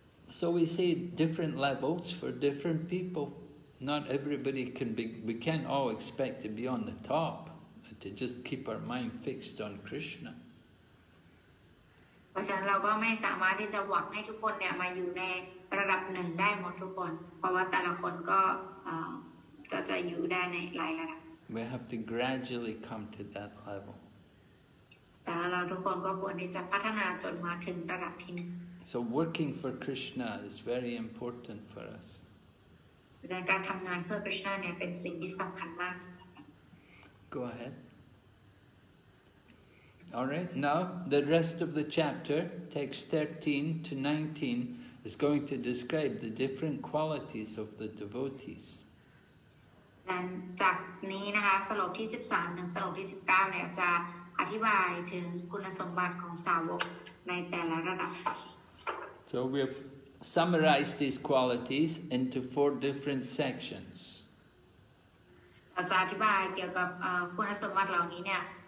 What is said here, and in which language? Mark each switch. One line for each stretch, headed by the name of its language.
English: So we see different levels for different people. Not everybody can be, we can't all expect to be on the top, to just keep our mind fixed on Krishna.
Thai: เพราะฉะนั้นเราก็ไม่สามารถที่จะหวังให้ทุกคนเนี่ยมาอยู่ในระดับหนึ่งได้หมดทุกคนเพราะว่าแต่ละคนก็จะอยู่ได้ในหลายระดับ
English: We have to gradually come to that level
Thai: แต่เราทุกคนก็ควรที่จะพัฒนาจนมาถึงระดับที่หนึ่ง
English: So working for Krishna is very important for us
Thai: เพราะฉะนั้นการทำงานเพื่อ Krishna เนี่ยเป็นสิ่งที่สำคัญมาก
English: Go aheadAll right, now the rest of the chapter, text 13 to 19, is going to describe the different qualities of the devotees.
Thai: Then, จากนี้นะคะสโลกที่13ถึงสโลกที่19เนี่ยจะอธิบายถึงคุณสมบัติของสาวกในแต่ละระดับ
English: So we have summarized these qualities into four different sections.
Thai: เราจะอธิบายเกี่ยวกับคุณสมบัติเหล่านี้เนี่ย